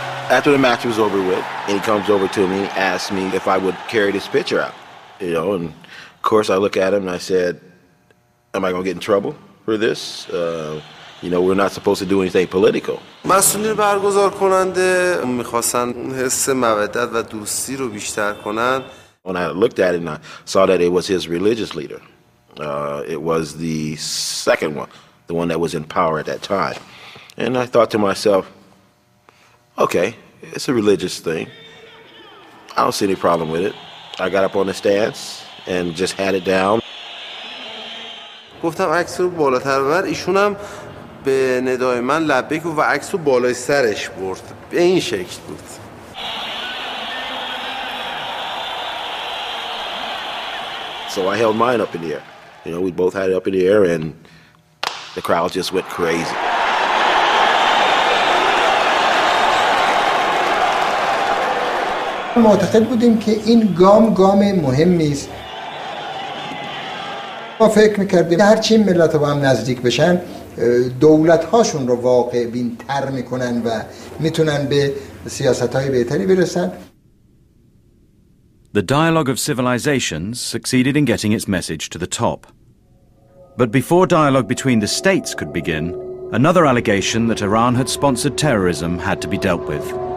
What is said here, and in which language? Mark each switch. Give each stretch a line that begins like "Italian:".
English: After the match was over with, and he comes over to me, asks me if I would carry this picture out. And of course I look at him and I said, am I going to get in trouble for this? We're not supposed to do anything political.
Persian: مسئولین برگزار کننده میخواستن حس مودت و دوستی رو بیشتر کنن.
English: When I looked at it and I saw that it was his religious leader. It was the second one, the one that was in power at that time. And I thought to myself, okay, it's a religious thing. I don't see any problem with it. I got up on the stands and just had it down.
Persian: گفتم عکس رو بالاتر ببر. ایشون هم به ندای من لبه گفت و عکس رو بالای سرش برد. به این شکل بود.
English: So I held mine up in the air. We both had it up in the air and the crowd just went crazy.
Persian: معتقد بودیم که این گام مهمی است. ما فکر می‌کردیم هر چی ملت با هم نزدیک بشن دولت‌هاشون رو واقع بین تر می‌کنن و می‌تونن به سیاست‌های بهتری برسن.
English: The Dialogue of Civilizations succeeded in getting its message to the top. But before dialogue between the states could begin, another allegation that Iran had sponsored terrorism had to be dealt with.